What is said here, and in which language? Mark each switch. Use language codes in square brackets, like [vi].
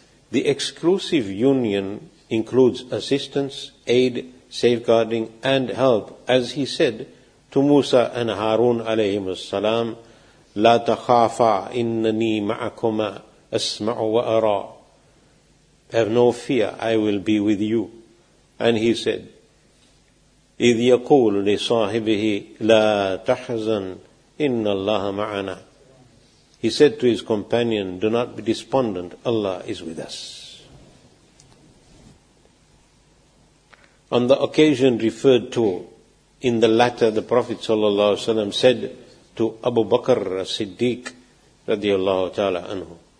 [en] The exclusive union includes assistance, aid, safeguarding, and help, as he said to Musa and Harun alayhim as-salam, [ar] لا تخافا إنني معكما أسمع وأرى. [en] Have no fear, I will be with you. And he said, [ar] إذ يقول لصاحبه لا تحزن إن الله معنا. [en] He said to his companion, do not be despondent, Allah is with us. On the occasion referred to in the latter, the Prophet ﷺ said, to Abu Bakr as-Siddiq radiallahu ta'ala anhu.